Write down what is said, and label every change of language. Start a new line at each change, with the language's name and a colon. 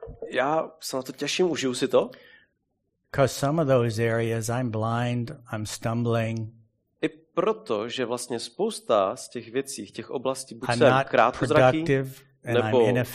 Czech: Já se na to těším, užiju si to.
English: Because some of those areas I'm blind, I'm stumbling.
Czech: I proto, že vlastně spousta z těch věcí, těch oblastí, buď jsem krátkozraký, nebo